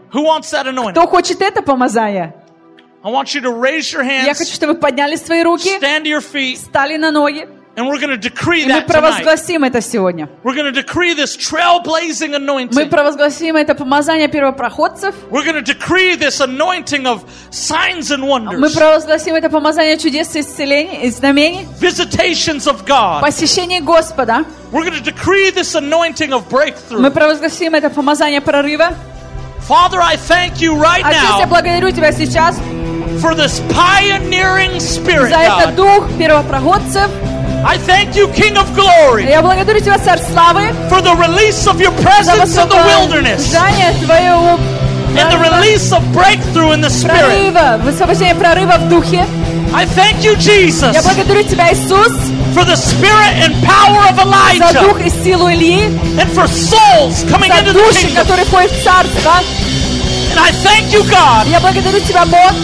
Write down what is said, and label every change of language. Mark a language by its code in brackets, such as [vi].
[en] Who wants that anointing? [ru] Кто хочет это помазание? [en] I want you to raise your hands. [ru] Я хочу, чтобы вы подняли свои руки. [en] Stand your feet. [ru] Встали на ноги. [en] And we're going to decree that [ru] Мы провозгласим это сегодня. [en] We're going to decree this trailblazing anointing. [ru] Мы провозгласим это помазание первопроходцев. [en] We're going to decree this anointing of signs and wonders. [ru] Мы провозгласим это помазание чудес и исцелений и знамений. [en] Visitations of God. [ru] Посещение Господа. [en] We're going to decree this anointing of breakthrough. [ru] Мы провозгласим это помазание прорыва. [en] Father, I thank you right now. [ru] Отец, я благодарю тебя сейчас. [en] For this pioneering spirit. [ru] За этот дух первопроходцев. [en] I thank you, King of Glory. [ru] Я благодарю тебя, Царь Славы. [en] For the release of your presence in the wilderness. [ru] За высвобождение твоего. [en] And the release of breakthrough in the spirit. [ru] Прорыва, высвобождение прорыва в духе. [en] I thank you, Jesus. [ru] Я благодарю тебя, Иисус. [en] For the spirit and power of Elijah. [ru] За дух и силу Ильи. [en] And for souls coming into the kingdom. [ru] За души, которые входят в царство. [en] And I thank you, God. [ru] Я благодарю тебя, Бог.